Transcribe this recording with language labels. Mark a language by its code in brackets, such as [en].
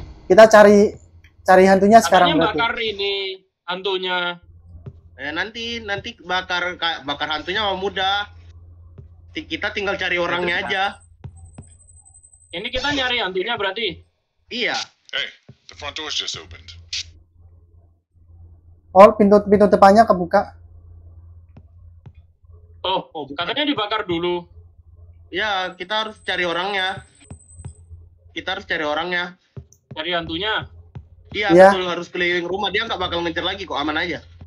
[id] Kita cari hantunya sekarang. Katanya bakar ini hantunya. Nanti bakar hantunya mah mudah. Kita tinggal cari orangnya aja. Ini kita nyari hantunya berarti. Iya. [en] Hey, the front door just opened. [id] Oh, pintu depannya kebuka. Oh, katanya dibakar dulu. Ya, kita harus cari orangnya. Kita harus cari orangnya. Cari hantunya? Iya, ya. Betul, harus keliling rumah. Dia nggak bakal ngejar lagi kok, aman aja.